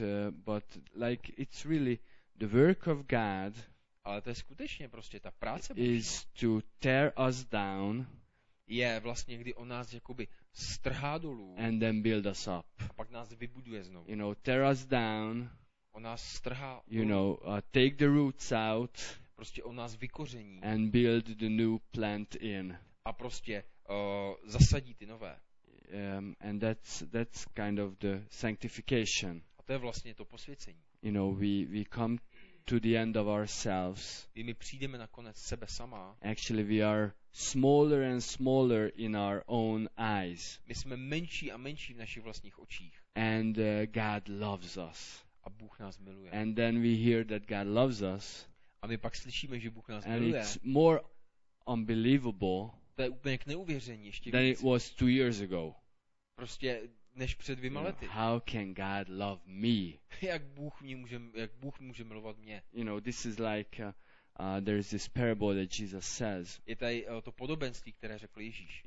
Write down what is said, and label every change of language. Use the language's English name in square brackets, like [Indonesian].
[English] But like it's really the work of God. [Czech] Ale to je skutečně prostě ta práce Boží. [English] Is to tear us down. [Czech] Je vlastně, kdy on nás jakoby strhá dolů. [English] And then build us up. [Czech] A pak nás vybuduje znovu. [English] You know, tear us down. [Czech] On nás strhá. [English] You know, take the roots out. [Czech] Prostě on nás vykoření. [English] And build the new plant in. [Czech] A prostě zasadí ty nové. [English] And that's kind of the sanctification. [Czech] A to je vlastně to posvěcení. [English] You know, we come to the end of ourselves. [Czech] Kdy my přijdeme na konec sebe sama. [English] Actually, we are smaller and smaller in our own eyes. [Czech] My jsme menší a menší v našich vlastních očích. [English] And God loves us. [Czech] A Bůh nás miluje. [English] And then we hear that God loves us. [Czech] A my pak slyšíme, že Bůh nás [English] and [Czech] miluje. [English] And it's more unbelievable. [Czech] To je úplně k neuvěření ještě víc. [English] Than it was 2 years ago. [Czech] Prostě než před dvěma lety. [English] How can God love me? [Czech] jak Bůh může milovat mě? [English] You know, this is like there is this parable that Jesus says. [Czech] Je tady to podobenství, které řekl Ježíš.